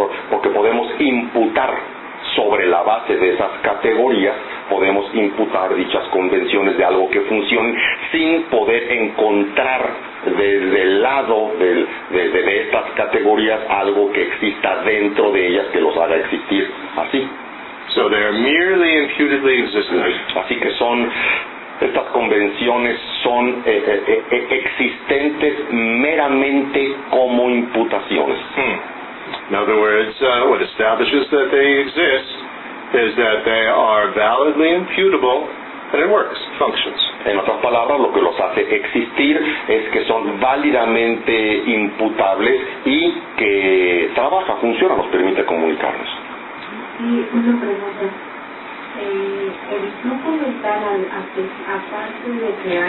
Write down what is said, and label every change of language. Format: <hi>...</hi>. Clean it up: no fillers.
<es>Porque podemos imputar sobre la base de esas categorías, podemos imputar dichas convenciones de algo que funcione, sin poder encontrar desde el lado de estas categorías algo que exista dentro de ellas que los haga existir así.</es> <en>So they're merely imputedly existing.</en> <es>Así que son, estas convenciones son existentes meramente como imputaciones.</es> <en>In other words, what establishes that they exist is that they are validly imputable, and it works, functions.</en> <es>En otras palabras, lo que los hace existir es que son válidamente imputables y que trabaja, funciona, nos permite comunicarnos. Y una pregunta. El flujo mental, aparte de crear...</es>